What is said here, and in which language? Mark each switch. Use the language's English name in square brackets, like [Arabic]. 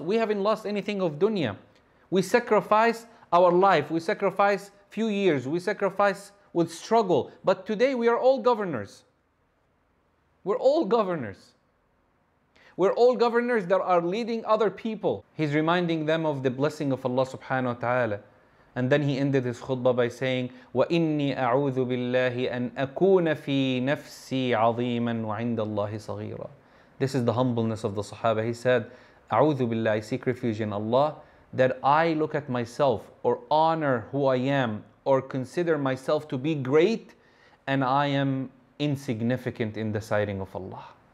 [English] We haven't lost anything of dunya. We sacrifice our life. We sacrifice few years. We sacrifice with struggle. But today we are all governors. We're all governors. We're all governors that are leading other people. He's reminding them of the blessing of Allah subhanahu wa ta'ala. And then he ended his khutbah by saying, [Arabic] وَإِنِّي أَعُوذُ بِاللَّهِ أَنْ أَكُونَ فِي نَفْسِي عَظِيمًا وَعِنْدَ اللَّهِ صَغِيرًا. [English] This is the humbleness of the Sahaba. He said, [Arabic] أَعُوذُ بِاللَّهِ, [English] I seek refuge in Allah, that I look at myself or honor who I am or consider myself to be great, and I am insignificant in the sighting of Allah.